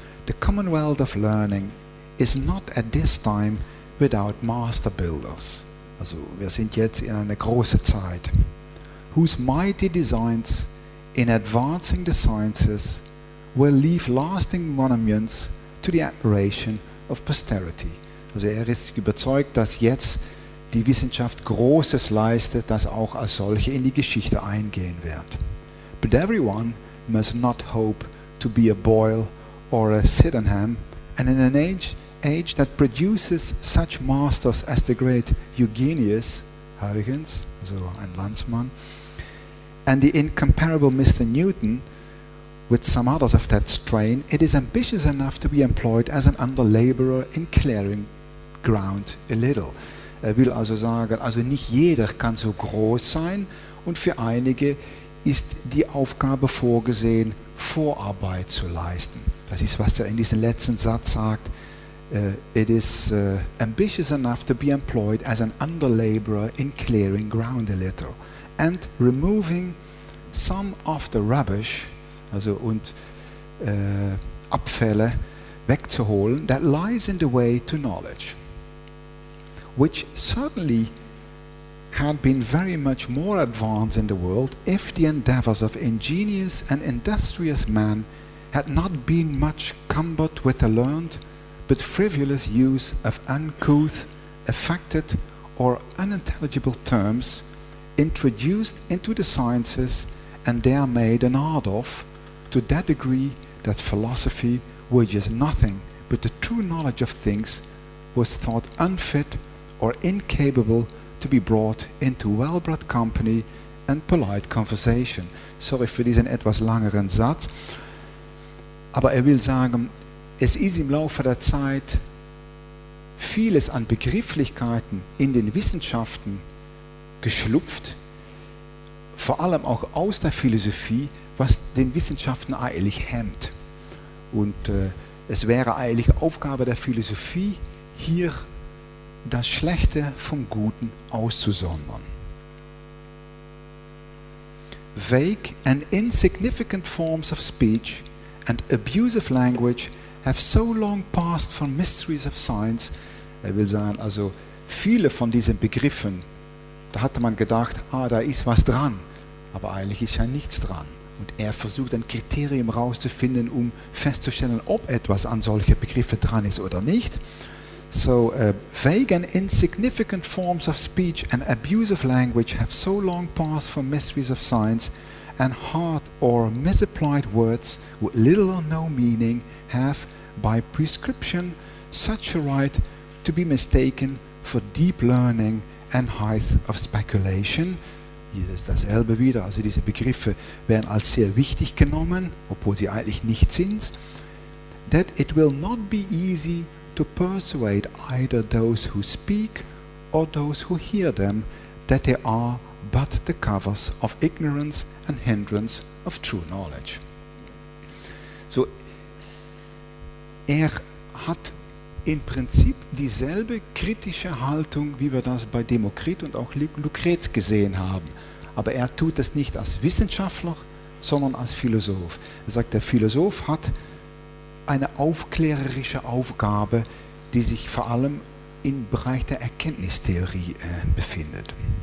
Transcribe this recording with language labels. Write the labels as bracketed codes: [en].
[en] The Commonwealth of Learning is not at this time without master builders. [de] Also wir sind jetzt in einer großen Zeit. [en] Whose mighty designs in advancing the sciences will leave lasting monuments to the admiration of posterity. [de] Also er ist überzeugt, dass jetzt die Wissenschaft Großes leistet, das auch als solche in die Geschichte eingehen wird. [en] But everyone must not hope to be a Boyle or a Sydenham, and in an age that produces such masters as the great Eugenius Huygens, [de] also ein Landsmann, [en] and the incomparable Mr. Newton, with some others of that strain, it is ambitious enough to be employed as an under-laborer in clearing ground a little. [de] Er will also sagen, also nicht jeder kann so groß sein, und für einige ist die Aufgabe vorgesehen, Vorarbeit zu leisten. Das ist, was er in diesem letzten Satz sagt. [en] It is ambitious enough to be employed as an under-laborer in clearing ground a little and removing some of the rubbish, [de] also und Abfälle wegzuholen, [en] that lies in the way to knowledge, which certainly had been very much more advanced in the world if the endeavors of ingenious and industrious men had not been much cumbered with the learned but frivolous use of uncouth, affected, or unintelligible terms introduced into the sciences and there made an art of, to that degree that philosophy, which is nothing but the true knowledge of things, was thought unfit or incapable to be brought into well-bred company and polite conversation. [de] Sorry für diesen etwas längeren Satz, aber er will sagen, es ist im Laufe der Zeit vieles an Begrifflichkeiten in den Wissenschaften geschlupft, vor allem auch aus der Philosophie, was den Wissenschaften eigentlich hemmt. Und es wäre eigentlich Aufgabe der Philosophie, hier das Schlechte vom Guten auszusondern. [en] Vague and insignificant forms of speech and abusive language have so long passed from mysteries of science. [de] Er will sagen, also viele von diesen Begriffen, da hatte man gedacht, ah, da ist was dran, aber eigentlich ist ja nichts dran. Und er versucht ein Kriterium rauszufinden, um festzustellen, ob etwas an solche Begriffe dran ist oder nicht. [en] So, vague and insignificant forms of speech and abusive language have so long passed from mysteries of science and hard or misapplied words with little or no meaning have, by prescription, such a right to be mistaken for deep learning and height of speculation. [de] Hier ist dasselbe wieder, also diese Begriffe werden als sehr wichtig genommen, obwohl sie eigentlich nicht sind. [en] That it will not be easy to persuade either those who speak or those who hear them that they are but the covers of ignorance and hindrance of true knowledge. [de] So, er hat im Prinzip dieselbe kritische Haltung, wie wir das bei Demokrit und auch Lukrez gesehen haben. Aber er tut es nicht als Wissenschaftler, sondern als Philosoph. Er sagt, der Philosoph hat eine aufklärerische Aufgabe, die sich vor allem im Bereich der Erkenntnistheorie befindet.